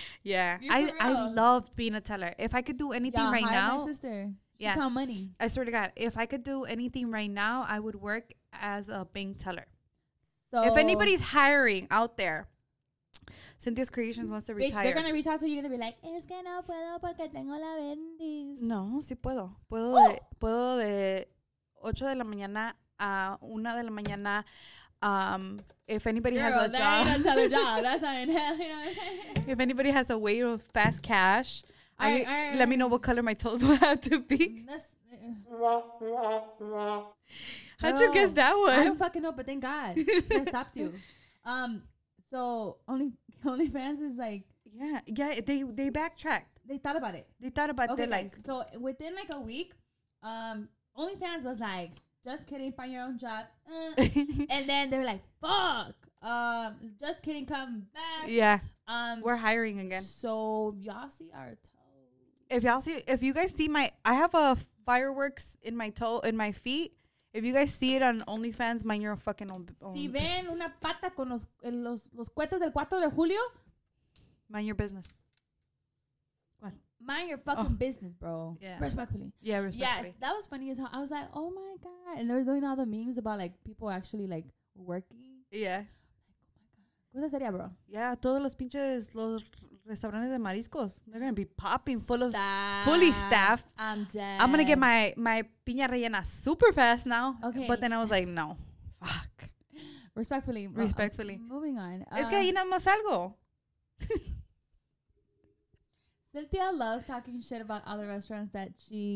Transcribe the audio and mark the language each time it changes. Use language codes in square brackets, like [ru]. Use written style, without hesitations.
[en] Yeah. I loved being a teller. If I could do anything right now. My sister. She count money. I swear to God. If I could do anything right now, I would work as a bank teller. So if anybody's hiring out there, Cynthia's Creations wants to retire. Bitch, they're going to reach out to you. You're going to be like, [es] es que no puedo porque tengo la bendis. No, sí puedo. Puedo de 8 de la mañana a 1 de la mañana. [en] If anybody Girl, has a that job. That ain't a job. That's not in hell. If anybody has a way of fast cash, I let me know what color my toes will have to be. How'd you guess that one? I don't fucking know, but thank God. I stopped you. So OnlyFans is like. Yeah. They backtracked. They thought about it. They thought about it. Okay, like, so within like a week, OnlyFans was like, just kidding, find your own job. And then they're like, fuck. Just kidding, come back. Yeah. We're hiring again. So y'all see our toes. If you guys see my, I have a fireworks in my toe, in my feet. If you guys see it on OnlyFans, mind your fucking own business. [es] Si ven una pata con los cuetes del 4 de julio. [en] Mind your business. What? Mind your fucking business, bro. Yeah. Respectfully. Yeah, respectfully. Yeah, that was funny as hell. I was like, oh my God. And they were doing all the memes about like people actually like working. Yeah. Oh my God. [es] ¿Qué sería, bro? Yeah, todos los pinches, los restaurantes de mariscos. [en] They're going to be popping fully staffed. I'm dead. I'm going to get my piña rellena super fast now. Okay. But then I was like, no. Fuck. Respectfully. Respectfully. Moving on. [es] Es que ahí nada más algo. [en] Cynthia loves talking shit about other restaurants that she...